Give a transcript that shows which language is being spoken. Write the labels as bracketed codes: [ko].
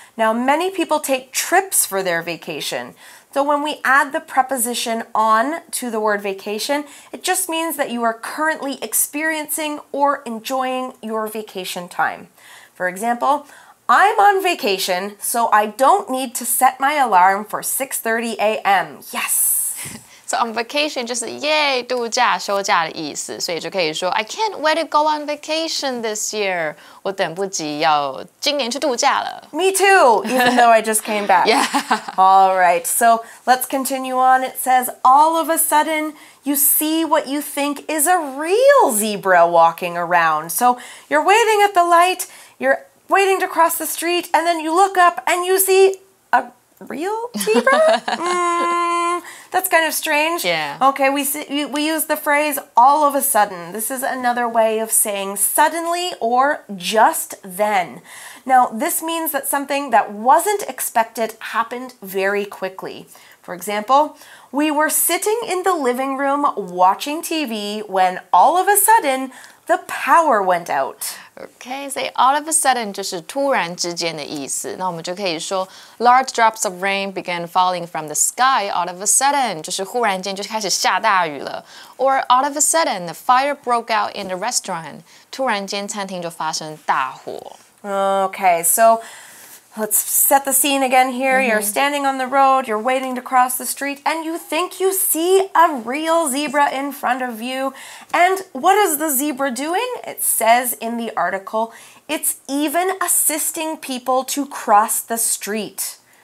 [en] Now, many people take trips for their vacation. So when we add the preposition on to the word vacation, it just means that you are currently experiencing or enjoying your vacation time. For example, I'm on vacation, so I don't need to set my alarm for 6:30 a.m. Yes! So on vacation, [zh] 就是 yay, 度假、休假的意思。所以就可以说 [en] I can't wait to go on vacation this year. [zh] 我等不及要今年去度假了。 [en] Me too, even though I just came back. Yeah. All right, so let's continue on. It says, all of a sudden, you see what you think is a real zebra walking around. So you're waiting at the light, you're waiting to cross the street, and then you look up and you see a real zebra? That's kind of strange. Yeah. Okay, we use the phrase all of a sudden. This is another way of saying suddenly or just then. Now, this means that something that wasn't expected happened very quickly. For example, we were sitting in the living room watching TV when all of a sudden the power went out. Okay, so all of a sudden [zh] 就是突然之间的意思。那我们就可以说 [en] large drops of rain began falling from the sky all of a sudden, [zh] 就是忽然间就开始下大雨了。 [en] Or all of a sudden, the fire broke out in the restaurant. [zh] 突然间餐厅就发生大火。 [en] Okay, so let's set the scene again here. You're standing on the road, you're waiting to cross the street, and you think you see a real zebra in front of you. And what is the zebra doing? It says in the article, it's even assisting people to cross the street.